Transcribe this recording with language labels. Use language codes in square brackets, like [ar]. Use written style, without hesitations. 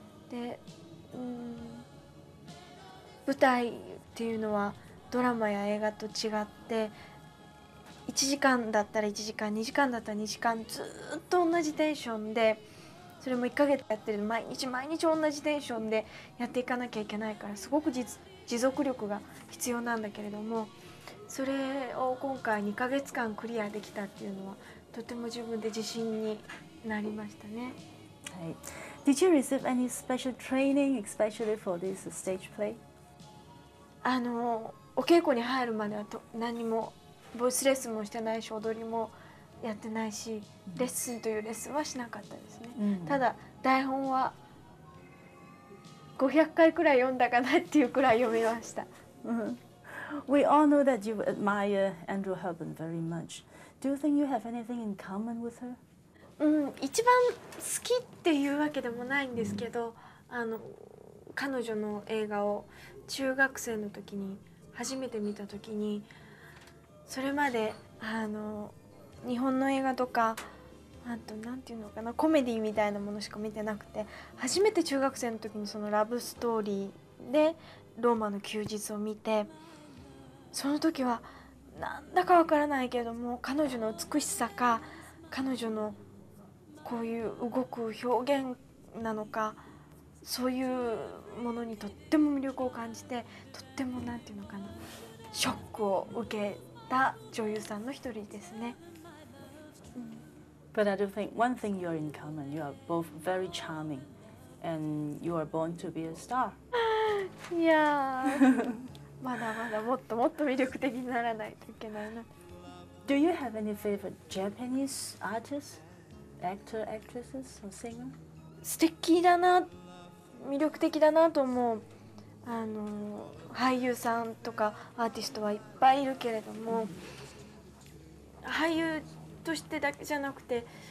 [ja] で、舞台っていうのはドラマや映画と違って、1時間だったら1時間、2時間だったら2時間、ずっと同じテンションで、それも1ヶ月やってる、毎日毎日同じテンションでやっていかなきゃいけないから、すごく持続力が必要なんだけれども、それを今回2ヶ月間クリアできたっていうのはとても自分で自信になりましたね。はい。 [en] Did you receive any special training especially for this stage play? [ja] お稽古に入るまでは何もボイスレッスンもしてないし、踊りもやってないし、レッスンというレッスンはしなかったですね。ただ台本は500回くらい読んだかなっていうくらい読みました。 [en] We all know that you admire Andrew Hepburn very much. Do you think you have anything in common with her? [ja] うん、一番好きっていうわけでもないんですけど、うん、あの彼女の映画を中学生の時に初めて見た時に、それまであの日本の映画とか、あとなんていうのかな、コメディみたいなものしか見てなくて、初めて中学生の時にそのラブストーリーでローマの休日を見て、その時はなんだかわからないけども、彼女の美しさか彼女のこういう動く表現なのか、そういうものにとっても魅力を感じて、とってもなんていうのかな、ショックを受けた女優さんの一人ですね。 [en] But I do think one thing you are in common. You are both very charming, and you are born to be a star. Yeah. [ja] まだまだもっともっと魅力的にならないといけないな。 [en] Do you have any favorite Japanese artists, actor, actresses, or singer? [ja] 素敵だな、魅力的だなと思う、あの俳優さんとかアーティストはいっぱいいるけれども、俳優としてだけじゃなくて、